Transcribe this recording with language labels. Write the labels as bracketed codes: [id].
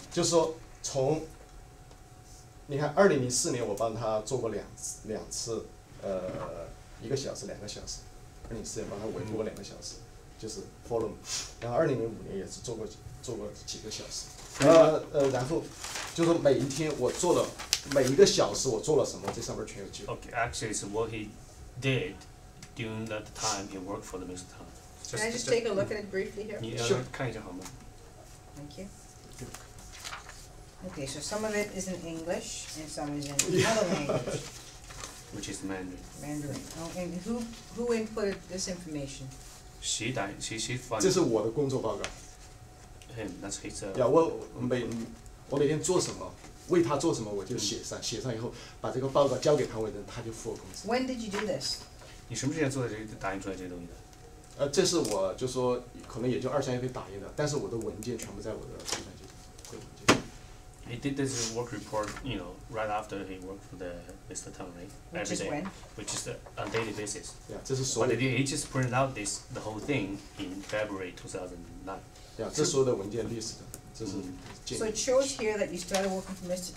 [zh] 就是说，从你看，2004年我帮他做过两次，一个小时，两个小时。 2004年帮他维护过两个小时，就是 forum。然后2005年也是做过几个小时。然后就是每一天我做了每一个小时我做了什么，这上面全有记录。 [en] Okay, actually, it's what he did during that time he worked for the Mr. Tang. Can I just take a look at it briefly here? 你要看一下好吗？ Thank you. Okay, so some of it is in English and some is in another language. Which is Mandarin. Mandarin. Okay, and who inputted this information? She found. This is my work report. Him, that's his. Yeah, [zh] 我每天做什么？为他做什么我就写上，写上以后把这个报告交给他为证，他就付我工资。 [en] When did you do this? [zh] 你什么时间做的这个打印出来这些东西的？这是我就说可能也就二三月份打印的，但是我的文件全部在我的计算机上，会文件。 [en] He did this work report, you know, right after he worked for the Mr. Tang, right? Which is when? Which is on a daily basis. Yeah, [zh] 这是所有的。 [en] But he just printed out this, the whole thing in February 2009. Yeah, [zh] 这是所有的文件历史的。 [en] So it shows here that you started working for Mr.